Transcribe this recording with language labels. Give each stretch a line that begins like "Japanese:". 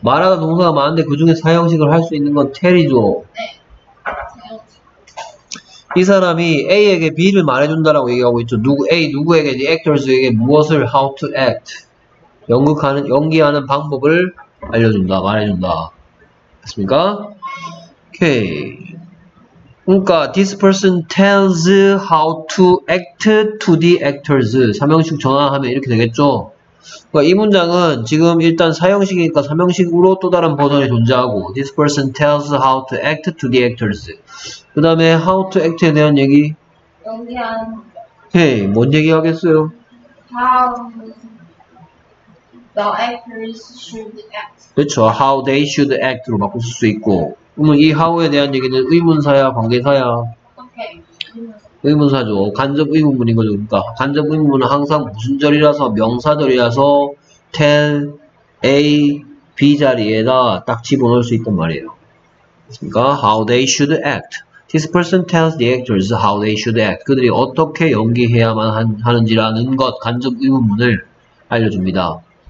Korean: 말하다 동사가 많은데 그 중에 사형식을 할 수 있는 건 tell이죠. 네. 이 사람이 A에게 B를 말해준다라고 얘기하고 있죠. 누구, A 누구에게, the actors에게 무엇을, how to act. 네. 연극하는 연기하는 방법을 알려준다, 말해준다. 됐습니까? 오케이. 그러니까
English: this person tells how to act to the actors.
Korean: 3형식 전환하면 이렇게 되겠죠. 그러니까 이 문장은 지금 일단 4형식이니까 3형식으로 또 다른 버전이 존재하고
English: this person tells how to act to the actors.
Korean: 그 다음에 how to act에 대한 얘기. 연기하는. 오케이. 뭔 얘기 하겠어요?
English: How the actors should act.
Korean: 그렇죠.
English: How they should act
Korean: 로 바꿀 수 있고. 그러면 이 how에 대한 얘기는 의문사야, 관계사야?
English: Okay.
Korean: 의문사죠. 간접 의문문인 거죠. 그러니까 간접 의문문은 항상 무슨절이라서 명사절이라서 tell A, B 자리에다 딱 집어넣을 수 있단 말이에요. 그러니까
English: how they should act. This person tells the actors how they should act.
Korean: 그들이 어떻게 연기해야만 하는지라는 것, 간접 의문문을 알려줍니다.